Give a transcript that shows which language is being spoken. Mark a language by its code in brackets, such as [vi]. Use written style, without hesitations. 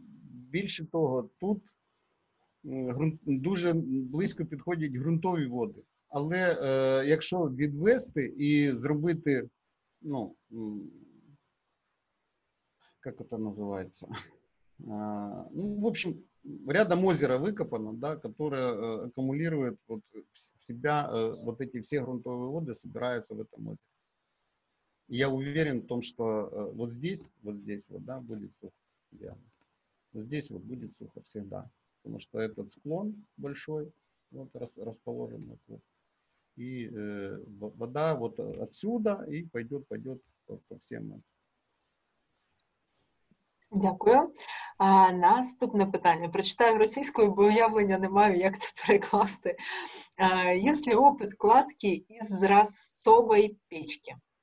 [uk] Більше того, тут дуже близько підходять ґрунтові води. Але якщо відвести і зробити, ну, як це називається? [ru] Ну, в общем, рядом озера викопано, да, которое аккумулирует вот в себя, вот эти все грунтовые воды собираются в этом озере. Я уверен в том, что вот здесь вот, да, будет сухо. Да. Вот здесь вот будет сухо всегда. Потому что этот склон большой, вот расположен вот тут. И вода вот отсюда и пойдет по всем этим. [uk] Дякую. А наступне питання. Прочитаю російською, бо уявлення не маю, як це перекласти. [ru] Є ли опит кладки із зразцової печки?